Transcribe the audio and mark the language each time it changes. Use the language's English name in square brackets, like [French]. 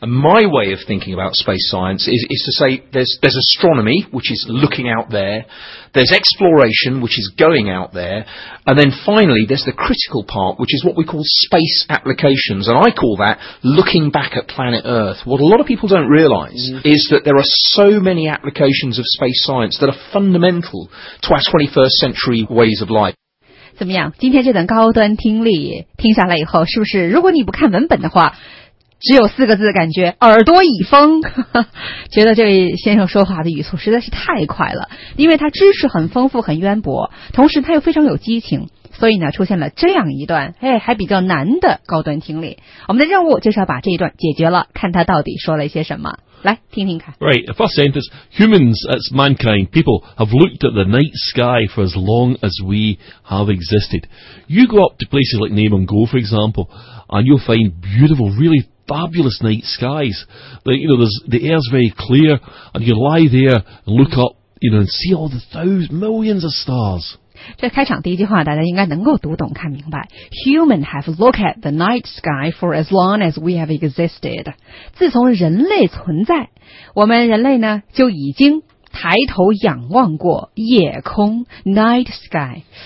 [English] And my way of thinking about space science is to say there's astronomy, which is looking out there, there's exploration, which is going out there, and then finally there's the critical part, which is what we call space applications, and I call that looking back at planet Earth. What a lot of people don't realise is that there are so many applications of space science that are fundamental to our 21st century ways of life. [Chinese] 怎么样？今天这段高端听力听下来以后，是不是如果你不看文本的话，只有四个字感觉耳朵已疯，觉得这位先生说话的语速实在是太快了，因为他知识很丰富很渊博，同时他又非常有激情，所以呢出现了这样一段还比较难的高端听力。我们的任务就是要把这一段解决了，看他到底说了一些什么。 [English] Right, the first sentence, humans, it's mankind, people, have looked at the night sky for as long as we have existed. You go up to places like Name and Go, for example, and you'll find beautiful, really fabulous night skies. The, you know, the air's very clear, and you lie there and look up you know, and see all the those millions of stars. [Chinese] 这开场第一句话大家应该能够读懂看明白。 [English] Human have looked at the night sky for as long as we have existed. [Chinese] 自从人类存在，我们人类呢就已经抬头仰望过夜空 night sky。